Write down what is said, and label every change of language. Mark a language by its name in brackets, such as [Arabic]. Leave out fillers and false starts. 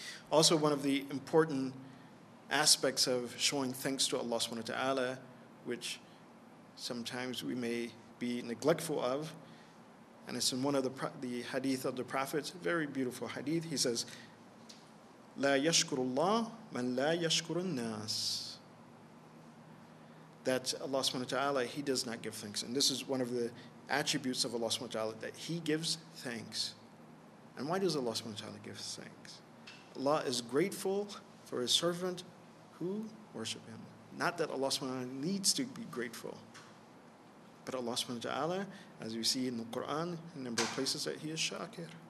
[English] Also, one of the important aspects of showing thanks to Allah subhanahu wa ta'ala, which sometimes we may be neglectful of, and it's in one of the hadith of the Prophet, very beautiful hadith, he says, [Arabic] لا يشكر الله من لا يشكر الناس. [English] That Allah subhanahu wa ta'ala, He does not give thanks. And this is one of the attributes of Allah subhanahu wa ta'ala, that He gives thanks. And why does Allah subhanahu wa ta'ala give thanks? Allah is grateful for His servant who worship Him. Not that Allah subhanahu wa ta'ala needs to be grateful. But Allah subhanahu wa ta'ala, as we see in the Quran, a number of places that He is shakir.